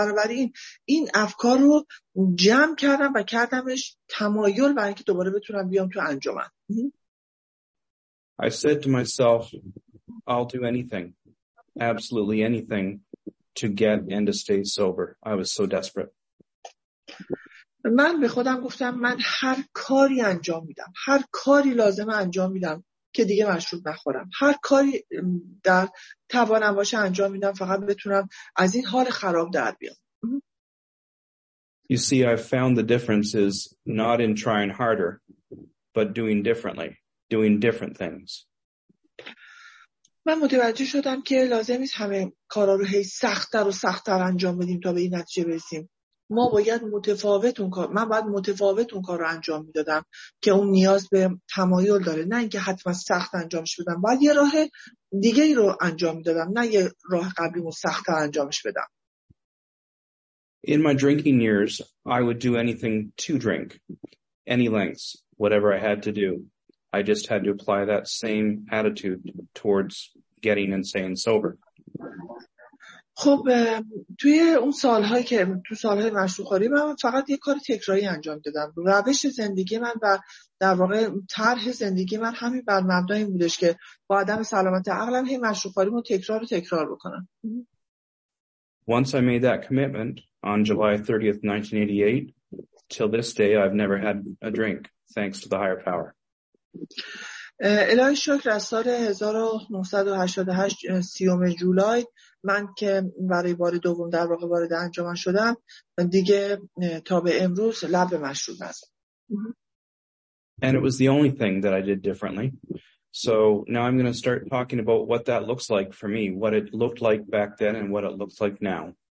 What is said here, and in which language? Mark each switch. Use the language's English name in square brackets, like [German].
[Persian] بنابراین این افکار رو جمع کردم و کردمش تمایل برای اینکه دوباره بتونم بیام تو انجمن. [English] I said to myself, I'll do anything. Absolutely anything to get and to stay sober. I was so desperate. [Persian] من به خودم گفتم من هر کاری انجام میدم، هر کاری لازم انجام میدم که دیگه مشروب نخورم، هر کاری در توانم باشه انجام میدم فقط بتونم از این حال خراب در بیام. [English] You see, I found the difference is not in trying harder, but doing differently, doing different things. [Persian] من متوجه شدم که لازم نیست همه کارا رو هی سخت‌تر و سخت‌تر انجام بدیم تا به این نتیجه برسیم. من باید متفاوت اون کار رو انجام میدادم که اون نیاز به تمایل داره، نه اینکه حتما سخت انجامش بدم. باید یه راه دیگه رو انجام میدادم، نه یه راه قبلیمو سخت‌تر انجامش بدم. [English] In my drinking years, I would do anything to drink, any lengths, whatever I had to do. I just had to apply that same attitude towards getting insane sober. [Persian] خب توی اون سالهایی که تو سالهای مشروب‌خوری من فقط یه کار تکراری انجام دادم. روش زندگی من و در واقع طرح زندگی من همین بر مبنای این بودش که با آدم سلامت عقلم هی مشروب‌خوریمو تکرار و تکرار بکنم. [English] Once I made that commitment on July 30th, 1988, till this day I've never had a drink thanks to the higher power. [Persian] الهی شکر از سال 1988 30 جولای من که برای بار دوم در واقع وارد انجمن شدم دیگه تا به امروز لب مشروب نزدم. [English] And it was the only thing that I did differently. So now I'm going to start talking about what that looks like for me, what it looked like back then and what it looks like now.